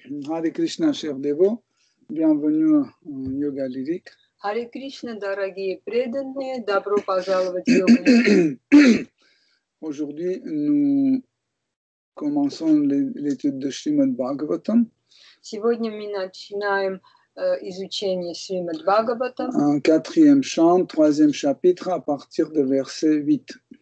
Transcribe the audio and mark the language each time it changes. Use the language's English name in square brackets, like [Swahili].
[French] हरे कृष्ण शिवदेवो, bienvenue en yoga lyrique. [Russian] Hare Krishna, дорогие преданные, добро пожаловать в йогу. [French] Aujourd'hui, nous commençons l'étude de Srimad Bhagavatam. [Russian] Сегодня мы начинаем изучение Шримад Бхагаватам. [French] Quatrième chant, troisième chapitre, à partir de verset 8.